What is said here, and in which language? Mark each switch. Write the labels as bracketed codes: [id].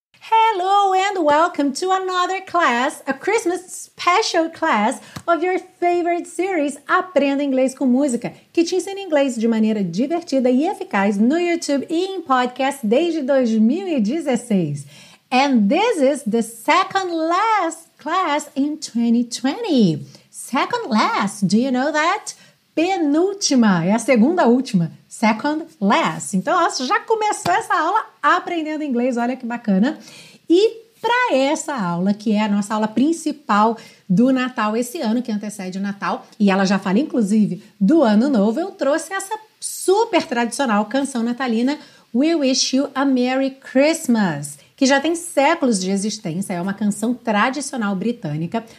[en] Hello and welcome to another class, a Christmas special class of your favorite series, [pt] Aprenda Inglês com Música, que te ensina inglês de maneira divertida e eficaz no YouTube e em podcast desde 2016. [en] And this is the second last class in 2020. Second last, do you know that? [pt] Penúltima, é a segunda última. [en] Second last. [pt] Então, nossa, já começou essa aula aprendendo inglês, olha que bacana. E para essa aula, que é a nossa aula principal do Natal esse ano, que antecede o Natal, e ela já fala, inclusive, do Ano Novo, eu trouxe essa super tradicional canção natalina, We Wish You a Merry Christmas, que já tem séculos de existência, é uma canção tradicional britânica.